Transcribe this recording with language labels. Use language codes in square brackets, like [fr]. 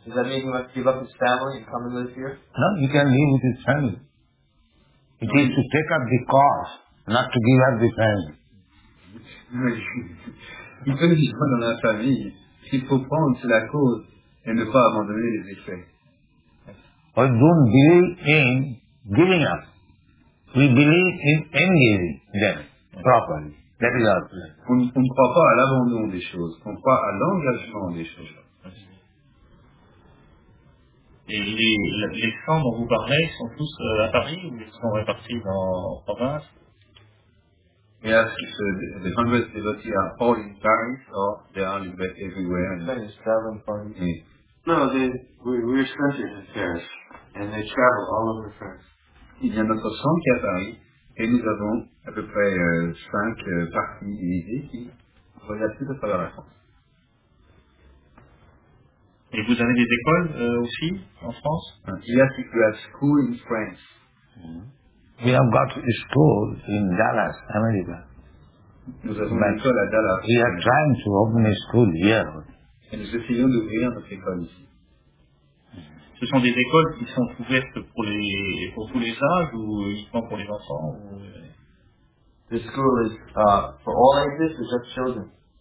[en] Does that mean he must give up his family and come and live here? No, he can live with his family. It is to take up the cause, not to give up the family. [fr] Il peut vivre dans la famille. S'il faut prendre la cause et ne pas abandonner les effets. [en] We don't believe in giving up. We believe in engaging them properly. That is our plan. [fr] On ne croit pas à l'abandon des choses. On croit à l'engagement des choses. Et les camps dont vous parlez sont tous à Paris ou ils sont répartis dans la province? [en] Yes, the hundreds of devotees are all in Paris or they are everywhere. We're centered in Paris and they travel all over France. [fr] Il y a notre centre qui est à Paris et nous avons à peu près 5 parties divisées qui voyagent tout à travers la France. Et vous avez des écoles aussi en France? [en] Yes, we have school in France. We have got a school in Dallas, America. [fr] Nous avons une école à Dallas. [en] We are trying to open a school here. [fr] Et nous essayons d'ouvrir notre école ici. Ce sont des écoles qui sont ouvertes pour tous les âges ou uniquement pour les enfants? [en] The school is for all ages or just children?